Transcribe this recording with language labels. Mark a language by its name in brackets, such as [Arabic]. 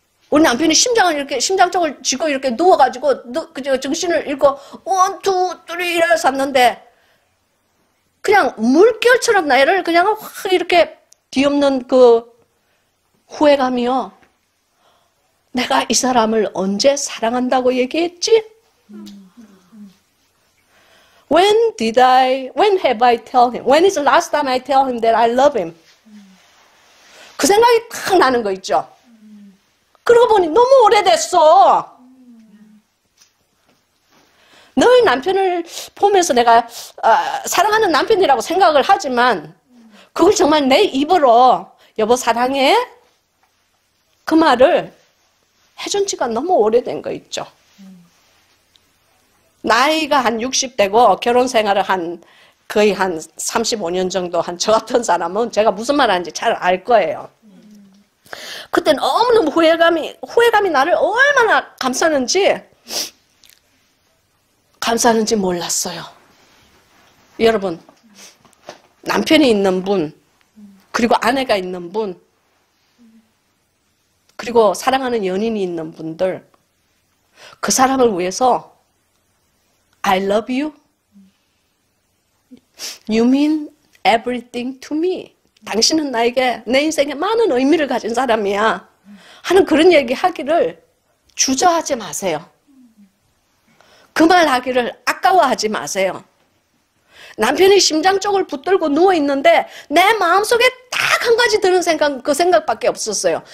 [Korean] 우리 남편이 심장을 이렇게, 심장 쪽을 쥐고 이렇게 누워가지고, 그저 정신을 잃고, [English] 원, 투, 쓰리, [Korean] 이래서 샀는데, 그냥 물결처럼 나를 그냥 확 이렇게 뒤엎는 그 후회감이요. 내가 이 사람을 언제 사랑한다고 얘기했지? [English] When did I, when have I tell him? When is the last time I tell him that I love him? [Korean] 그 생각이 탁 나는 거 있죠? 그러고 보니 너무 오래됐어. 늘 남편을 보면서 내가 사랑하는 남편이라고 생각을 하지만 그걸 정말 내 입으로 여보 사랑해? 그 말을 해준 지가 너무 오래된 거 있죠? 나이가 한 60대고 결혼 생활을 한 거의 한 35년 정도 한저 같은 사람은 제가 무슨 말 하는지 잘알 거예요. 그때 너무너무 후회감이 나를 얼마나 감싸는지 몰랐어요. 여러분, 남편이 있는 분, 그리고 아내가 있는 분, 그리고 사랑하는 연인이 있는 분들, 그 사람을 위해서 [English] I love you. You mean everything to me. [Korean] 당신은 나에게 내 인생에 많은 의미를 가진 사람이야. 하는 그런 얘기 하기를 주저하지 마세요. 그말 하기를 아까워하지 마세요. 남편이 심장 쪽을 붙들고 누워 있는데 내 마음속에 딱한 가지 드는 생각, 그 생각밖에 없었어요.